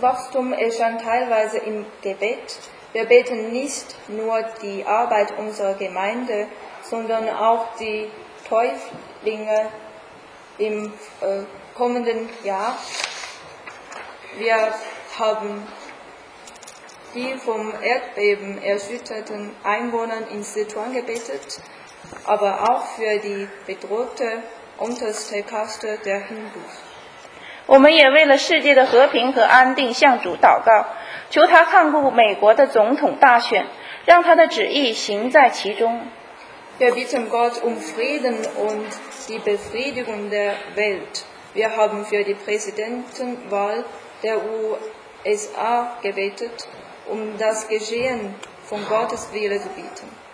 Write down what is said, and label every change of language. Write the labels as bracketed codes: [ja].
[de] Wachstum erscheint teilweise im Gebet. Wir beten nicht nur die Arbeit unserer Gemeinde, sondern auch die Täuflinge im kommenden Jahr. Wir haben die vom Erdbeben erschütterten Einwohner in Sichuan gebetet, aber auch für die bedrohte unterste Kaste der Hindus. [zh] 我们也为了世界的和平和安定向主祷告，求他看顾美国的总统大选，让他的旨意行在其中。 [de] Wir bitten Gott Frieden und die Befriedigung der Welt. Wir haben für die Präsidentenwahl der USA gebetet, um das Geschehen von Gottes Wille zu bieten.